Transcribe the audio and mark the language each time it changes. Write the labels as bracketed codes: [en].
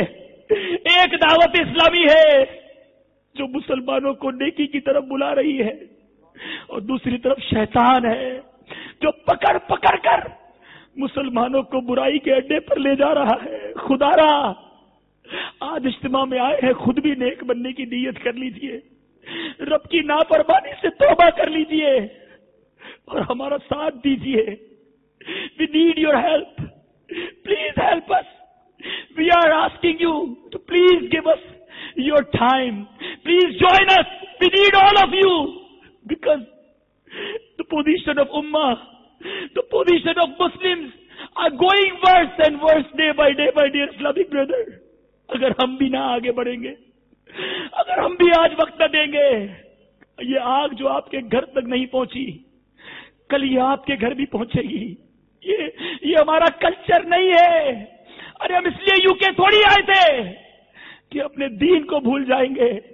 [ur] ایک دعوت اسلامی ہے جو مسلمانوں کو نیکی کی طرف بلا رہی ہے, اور دوسری طرف شیطان ہے جو پکڑ پکڑ کر مسلمانوں کو برائی کے اڈے پر لے جا رہا ہے. خدا را آج اجتماع میں آئے ہیں, خود بھی نیک بننے کی نیت کر لیجئے, رب کی ناپروانی سے توبہ کر لیجئے اور ہمارا ساتھ دیجئے. [en] We need your help. Please help us. We are asking you to please give us your time. Please join us. We need all of you. Because the position of Ummah, the position of Muslims are going worse and worse day by day, my dear Islamic brother. [ur] اگر ہم بھی نہ آگے بڑھیں گے, اگر ہم بھی آج وقت نہ دیں گے, یہ آگ جو آپ کے گھر تک نہیں پہنچی, کل یہ آپ کے گھر بھی پہنچے گی. یہ ہمارا کلچر نہیں ہے. ارے ہم اس لیے یو کے تھوڑی آئے تھے کہ اپنے دین کو بھول جائیں گے.